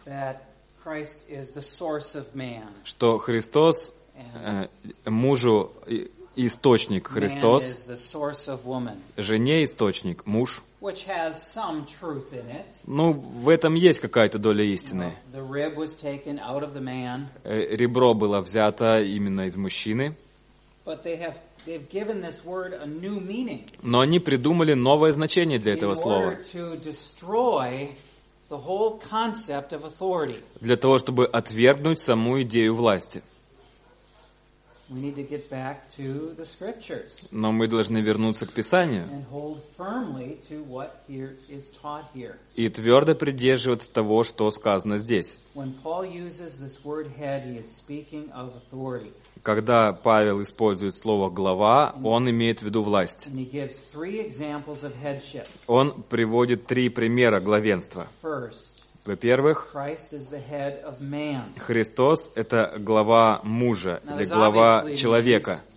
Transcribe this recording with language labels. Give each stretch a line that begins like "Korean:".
English: That Christ is the source of man.
Russian: Что Христос мужу источник Христос,
English: man is the source of woman,
Russian: жене источник, муж.
English: Which has some truth in it.
Russian: Ну, в этом есть какая-то доля истины.
English: You know, the rib was taken out of the man.
Russian: Ребро было взято именно из мужчины.
English: But they've given this word a new meaning.
Russian: Но они придумали новое значение для этого слова.
English: In order to destroy the whole concept of authority.
Russian: Для того, чтобы отвергнуть саму идею власти.
English: We need to get back to the scriptures.
Russian: Но мы должны вернуться к Писанию.
English: And hold firmly to what here is taught here.
Russian: И твёрдо придерживаться того, что сказано здесь.
English: When Paul uses this word head, he is speaking of authority.
Russian: Когда Павел использует слово глава, он имеет в виду власть.
English: And he gives three examples of headship.
Russian: Он приводит три примера главенства.
English: First,
Russian: во-первых,
English: Christ is the head of man.
Russian: Христос — это глава мужа, или глава человека.